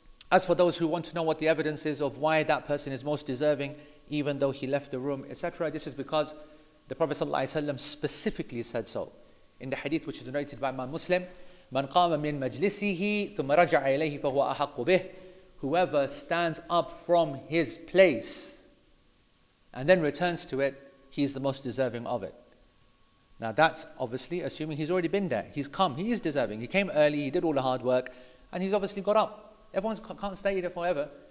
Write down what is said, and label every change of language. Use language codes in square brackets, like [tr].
[en] As for those who want to know what the evidence is of why that person is most deserving, even though he left the room, etc., this is because the Prophet Sallallahu Alaihi Wasallam specifically said so. In the hadith which is narrated by Imam Muslim, [ar] مَنْ قَامَ مِنْ مَجْلِسِهِ ثُمَّ رَجَعَ إِلَيْهِ فَهُوَ أَحَقُّ بِهِ. [en] Whoever stands up from his place and then returns to it, he is the most deserving of it. Now that's obviously assuming he's already been there. He's come, he is deserving. He came early, he did all the hard work, and he's obviously got up. Everyone can't stay there forever.